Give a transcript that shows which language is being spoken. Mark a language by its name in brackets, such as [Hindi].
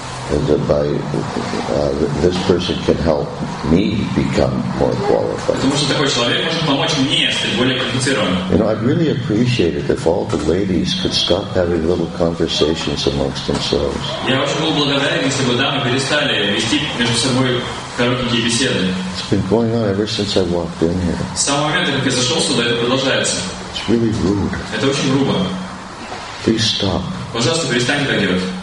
[English] That by this person can help me become more qualified. [Russian] Потому что такой человек может помочь мне стать более квалифицированным. [English] You know, I'd really appreciate it if all the ladies could stop having little conversations amongst themselves. [Russian] Я очень был благодарен, если бы дамы перестали вести между собой короткие беседы. [English] It's been going on ever since I walked in here. [Russian] С самого момента, как я зашел сюда, это продолжается. [English] It's really rude. [Russian] Это очень грубо. [English] Please stop. [Russian] Пожалуйста, перестаньте так делать.